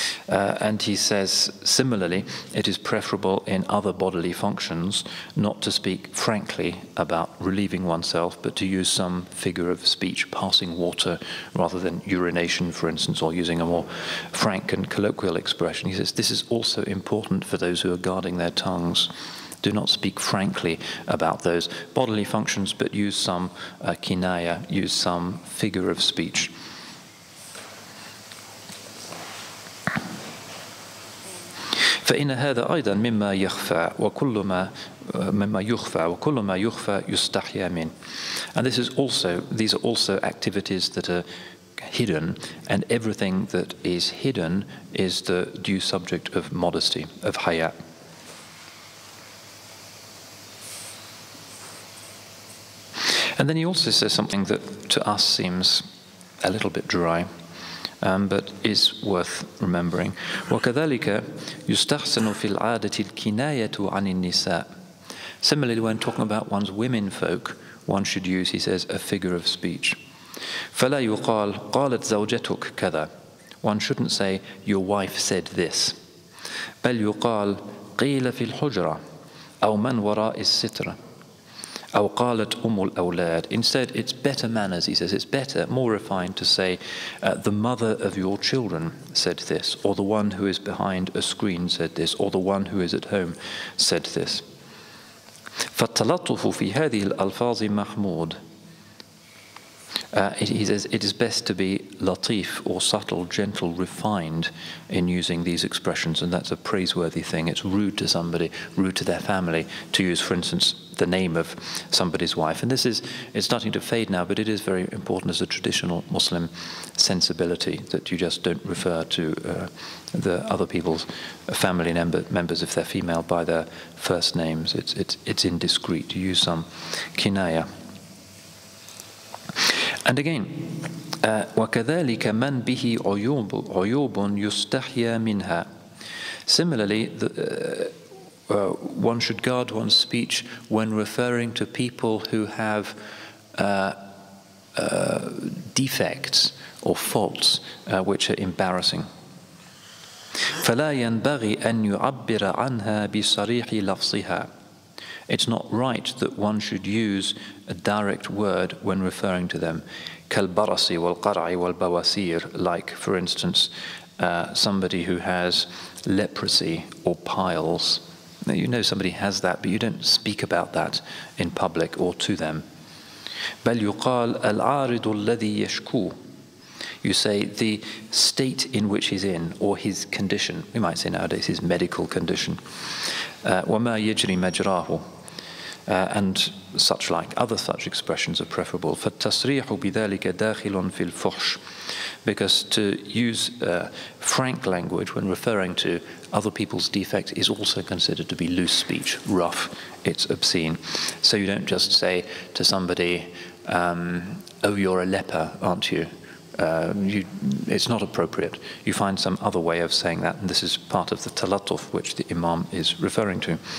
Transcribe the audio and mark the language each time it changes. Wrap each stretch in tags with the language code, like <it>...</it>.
<en>And he says, similarly, it is preferable in other bodily functions not to speak frankly about relieving oneself, but to use some figure of speech, passing water rather than urination, for instance, or using a more frank and colloquial expression. He says, this is also important for those who are guarding their tongues. Do not speak frankly about those bodily functions, but use some kinaya, use some figure of speech.</en> <ar>فإن هذا أيضا مما يخفى وكل ما مما يخفى وكل ما يخفى يستحيا من.</ar> <en>And this is also, these are also activities that are hidden, and everything that is hidden is the due subject of modesty, of haya. And then he also says something that to us seems a little bit dry, but is worth remembering.</en> <ar>وَكَذَلِكَ يُسْتَحْسَنُ فِي الْعَادَةِ الْكِنَايَةُ عَنِ النِّسَاءِ.</ar> <en>Similarly, when talking about one's women folk, one should use, he says, a figure of speech.</en> <ar>فَلَا يُقَالْ قَالَتْ زَوْجَتُكْ كَذَا.</ar> <en>One shouldn't say, your wife said this.</en> <ar>بَلْ يُقَالْ قِيلَ فِي الْحُجْرَةِ أَوْ مَنْ وَرَاءِ السِّتْرَةِ. أو قالت أم الأولاد.</ar> <en>Instead, it's better manners, he says. It's better, more refined to say, the mother of your children said this, or the one who is behind a screen said this, or the one who is at home said this.</en> <ar>فالتلطف في هذه الألفاظ محمود.</ar> <en>He says, it is best to be latif, or subtle, gentle, refined in using these expressions, and that's a praiseworthy thing. It's rude to somebody, rude to their family, to use, for instance, the name of somebody's wife. And this is, it's starting to fade now, but it is very important as a traditional Muslim sensibility that you just don't refer to the other people's family members, if they're female, by their first names. It's indiscreet to use some kinaya. And again,</en> <ar>وَكَذَلِكَ مَنْ بِهِ عُيُوبٌ يُسْتَحْيَى مِنْهَا.</ar> <en>Similarly, one should guard one's speech when referring to people who have defects or faults which are embarrassing.</en> <ar>فَلَا يَنْبَغِي أَنْ يُعَبِّرَ عَنْهَا بِصَرِيحِ لَفْصِهَا.</ar> <en>It's not right that one should use a direct word when referring to them.</en> <ar>كالبرسي والقرعي والبواسير,</ar> <en>like, for instance, somebody who has leprosy or piles. Now, you know somebody has that, but you don't speak about that in public or to them.</en> <ar>بل يقال العارض الذي يشكو.</ar> <en>You say the state in which he's in, or his condition. We might say nowadays his medical condition.</en> <ar>وما يجري مجراه.</ar> <en>And such like, other such expressions are preferable.</en> <ar>فالتصريح بذلك داخل في الفحش.</ar> <en>Because to use frank language when referring to other people's defects is also considered to be loose speech, rough, it's obscene. So you don't just say to somebody, oh, you're a leper, aren't you? It's not appropriate. You find some other way of saying that, and this is part of the talatuf which the imam is referring to.</en>